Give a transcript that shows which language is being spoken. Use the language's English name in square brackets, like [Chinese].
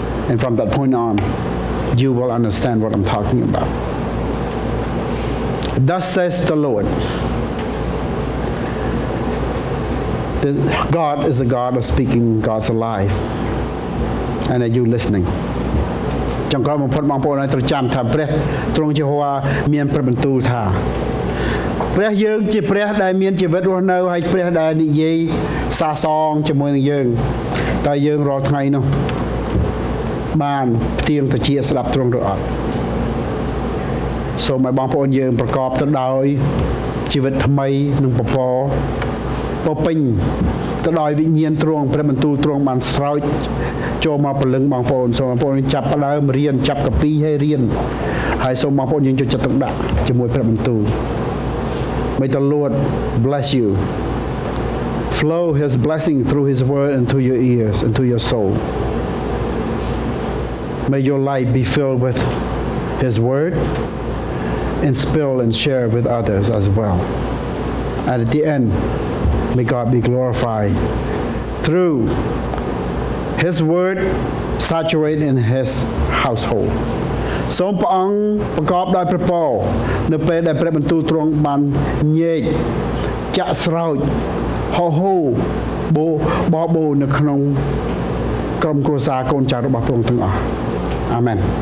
[English] And from that point on, you will understand what I'm talking about. Thus says the Lord. This God is a God of speaking, God's alive. And are you listening? [Khmer] ចង្កល់បំផុតបងប្អូនឲ្យត្រចាំថាព្រះទ្រង់ជាហួរមានព្រះបន្ទូលថាព្រះយើងជាព្រះដែលមានជីវិតរស់នៅហើយព្រះដែលនិយាយសាសងជាមួយនឹងយើងតែយើងរាល់ថ្ងៃនោះបានផ្ទៀងត្រជាស្ដាប់ទ្រង់ឬអត់ សូមឲ្យបងប្អូនយើងប្រកបទៅដោយជីវិតថ្មីនិងពពកពពេញទៅដោយវិញ្ញាណទ្រង់ព្រះបន្ទូលទ្រង់បានស្រោចចូលមកពលឹងបងប្អូនសូមបងប្អូនចាប់ផ្ដើមរៀនចាប់កាពីឲ្យរៀនហើយសូមបងប្អូនយើងជួយចិត្តទុកដាក់ជាមួយព្រះបន្ទូល [English] May the Lord bless you. Flow His blessing through His word into your ears, into your soul. May your life be filled with His word and spill and share with others as well. And at the end, may God be glorified through His word saturate in His household. [Khmer] សូមព្រះអង្គប្រកបដោយព្រះពរនៅពេលដែលព្រះបន្ទូលទ្រង់បានញែកចាក់ស្រោចហោហូបោបោនៅក្នុងក្រុមគ្រួសារកូនចៅរបស់ព្រះអង្គទាំងអស់អាមែន